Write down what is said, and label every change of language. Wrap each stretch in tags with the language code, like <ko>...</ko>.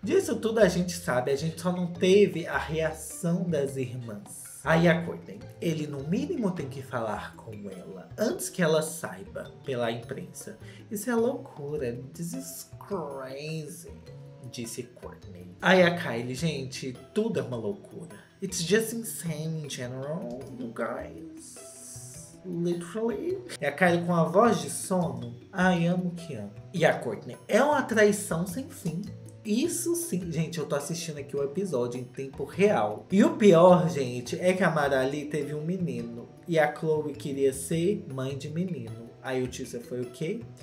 <pt>Disso tudo a gente sabe, a gente só não teve a reação das irmãs. Aí a Courtney, ele no mínimo tem que falar com ela, antes que ela saiba, pela imprensa. Isso é loucura, desespero. Crazy, disse Courtney. Aí a Kylie, gente, tudo é uma loucura.</pt> <en>It's just insane in general, you guys. Literally.</en> <pt>E a Kylie com a voz de sono. Ai, amo que amo. E a Courtney, é uma traição sem fim. Isso sim, gente, eu tô assistindo aqui o episódio em tempo real. E o pior, gente, é que a Mara Lee teve um menino. E a Chloe queria ser mãe de menino. Aí o Tisha foi o quê?</pt>